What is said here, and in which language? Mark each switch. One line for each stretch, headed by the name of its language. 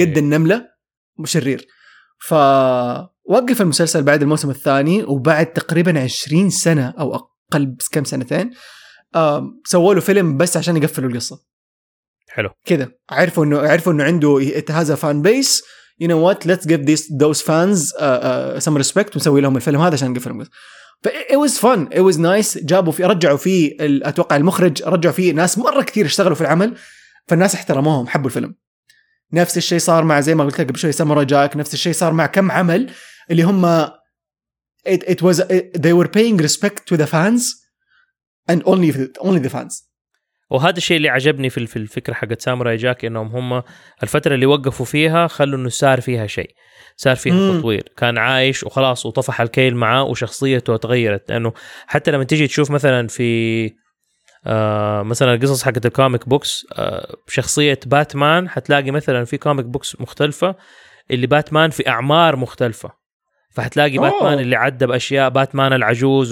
Arabic: قد النملة مشرير. فوقف المسلسل بعد الموسم الثاني وبعد تقريبا 20 سنة أو أقل كم سنتين سووا له فيلم بس عشان يقفلوا القصة. حلو كذا عرفوا إنه عنده اتهاز فان بيس.
English: You know what let's give these those fans some respect
Arabic: ونسوي لهم الفيلم هذا عشان يقفلوا القصة. ف
English: it was fun it was nice
Arabic: جابوا فيه رجعوا فيه أتوقع المخرج رجعوا فيه ناس مرة كثير اشتغلوا في العمل فالناس احترموهم حبوا الفيلم. نفس الشيء صار مع زي ما قلت لك قبل شوي سامورا جاك. نفس الشيء صار مع كم عمل اللي هم
English: they were paying respect to the fans and only the fans.
Arabic: وهذا الشيء اللي عجبني في الفكرة حقت سامورا جاك إنهم هم الفترة اللي وقفوا فيها خلوا إنه صار فيها شيء، صار فيها تطوير، كان عايش وخلاص وطفح الكيل معاه وشخصيته تغيرت. لأنه حتى لما تيجي تشوف مثلا في مثلا القصص حقت الكوميك بوكس شخصية باتمان هتلاقي مثلا في كوميك بوكس مختلفة اللي باتمان في أعمار مختلفة، فهتلاقي باتمان اللي عدى بأشياء باتمان العجوز.